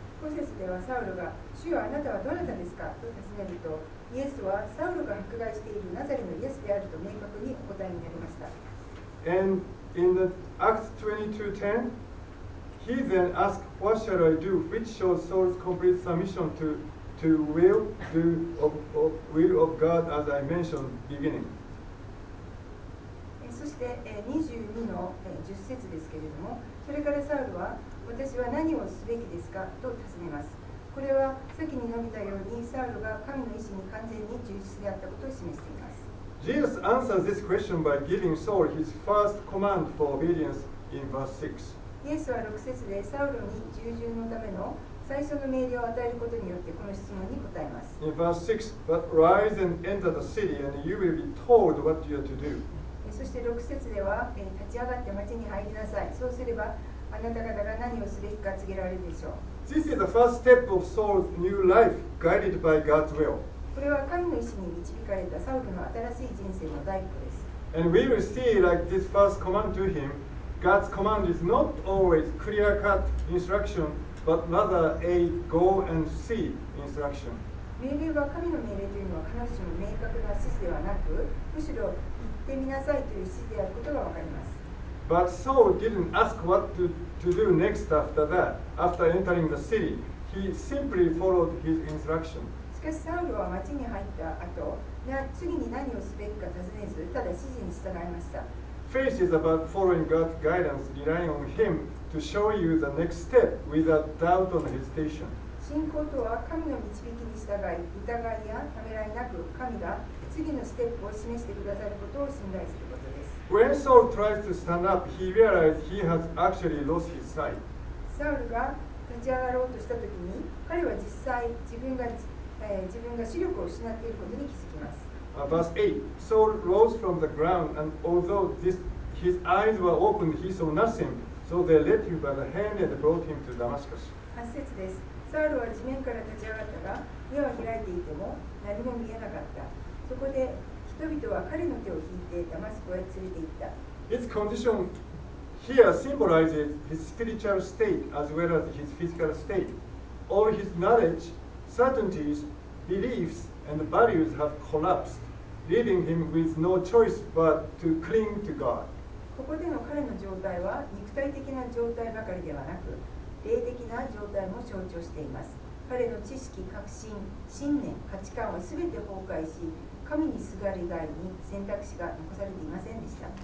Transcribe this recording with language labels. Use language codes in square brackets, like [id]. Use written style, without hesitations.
[ja] 5節ではサウルが、主よあなたはどなたですかと尋ねると、イエスはサウルが迫害しているナザレのイエスであると明確にお答えになりました。 [en] And in the Acts 22:10, he then asks, What shall I do? Which shows Saul's complete submission to will of God as I mentioned beginning. [ja] そして22の10節ですけれども、それからサウルは私は何をすべきですかと尋ねます。これは先に述べたようにサウルが神の意思に完全に忠実であったことを示しています。 [en] Jesus answers this question by giving Saul his first command for obedience in verse 6. [ja] イエスは6節でサウロに従順のための最初の命令を与えることによってこの質問に答えます。 [en] In verse 6, but rise and enter the city, and you will be told what you are to do. [ja] そして6節では、立ち上がって町に入りなさい。そうすれば、あなた方が何をすべきか告げられるでしょう。 [en] This is the first step of Saul's new life, guided by God's will. [ja] これは神の意志に導かれたサウルの新しい人生の第一歩です。 [en] And we will see, like this first command to him, God's command is not always clear-cut instruction, but rather a go and see instruction. [ja] 命令は神の命令というのは必ずしも明確な指示ではなく、むしろ行ってみなさいという指示であることがわかります。 [en] But Saul didn't ask what to do next after that, after entering the city. He simply followed his instruction. [ja] しかしサウルは町に入った後、次に何をすべきか尋ねず、ただ指示に従いました。 [en] Faith is about following God's guidance, relying on Him to show you the next step without doubt or hesitation. [ja] 信仰とは神の導きに従い、疑いやためらいなく、神が次のステップを示してくださることを信頼することです。 [en] When Saul tries to stand up, he realizes he has actually lost his sight. [ja] Saul が立ち上がろうとした時に、彼は実際自分が視力を失っていることに気づきます。 [en] Verse 8. Saul rose from the ground, and although his eyes were open, he saw nothing. So they led him by the hand and brought him to Damascus. [ja] 8節です。 Saul は地面から立ち上がったが、目は開いていても何も見えなかった。そこで人々は彼の手を引いてダマスコへ連れて行った。 [en] His condition here symbolizes his spiritual state as well as his physical state. All his knowledge, certainties, beliefs, and values have collapsed, leaving him with no choice but to cling to God. [ja] ここでの彼の状態は肉体的な状態ばかりではなく、霊的な状態も象徴しています。彼の知識、確信、信念、価値観は全て崩壊し、神にすがる以外に選択肢が残されていませんでした。